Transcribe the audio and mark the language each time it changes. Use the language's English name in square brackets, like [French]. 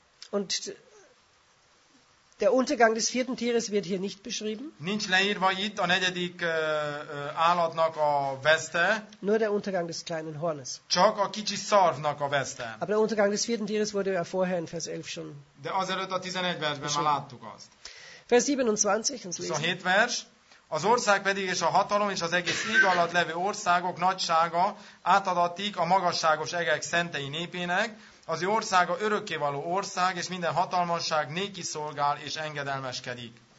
[German] Und der Untergang des vierten Tieres wird hier nicht beschrieben. [Hungarian] Nincs leírva itt a negyedik állatnak a veszte. [German] Nur der Untergang des kleinen Hornes. [Hungarian] Csak a kicsi szarvnak a veszte. [German] Aber der Untergang des vierten Tieres wurde ja vorher in Vers 11 schon. [Hungarian] De azelőtt a 11 versben már láttuk azt. [German] Vers 27, uns lesen. [Hungarian] 27 vers. Az ország pedig és a hatalom és az egész ég alatt levő országok nagysága átadatik a magasságos egek szentei népének. Az ő országa örökké való ország, és minden hatalmasság néki szolgál és engedelmeskedik.